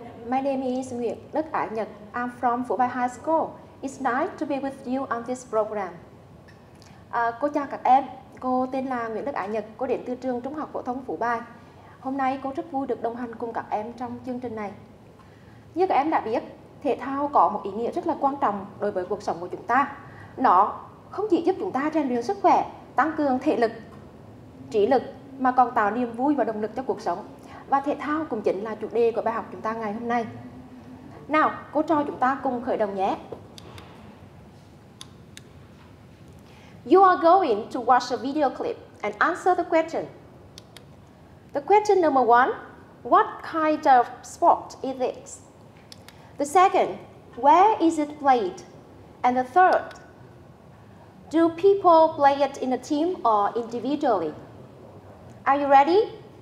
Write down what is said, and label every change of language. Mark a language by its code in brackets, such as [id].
[en] My name is Nguyễn Đức Ái Nhật. I'm from Phú Bài High School. It's nice to be with you on this program. [vi] Cô chào các em. Cô tên là Nguyễn Đức Ái Nhật. Cô đến từ trường Trung học Phổ thông Phú Bài. Hôm nay cô rất vui được đồng hành cùng các em trong chương trình này. Như các em đã biết, thể thao có một ý nghĩa rất là quan trọng đối với cuộc sống của chúng ta. Nó không chỉ giúp chúng ta rèn luyện sức khỏe, tăng cường thể lực, trí lực mà còn tạo niềm vui và động lực cho cuộc sống. Và thể thao cũng chính là chủ đề của bài học chúng ta ngày hôm nay. Nào, cô trò chúng ta cùng khởi động nhé. [en] You are going to watch a video clip and answer the question. The question number one, what kind of sport is it? The second, where is it played? And the third, do people play it in a team or individually? Are you ready?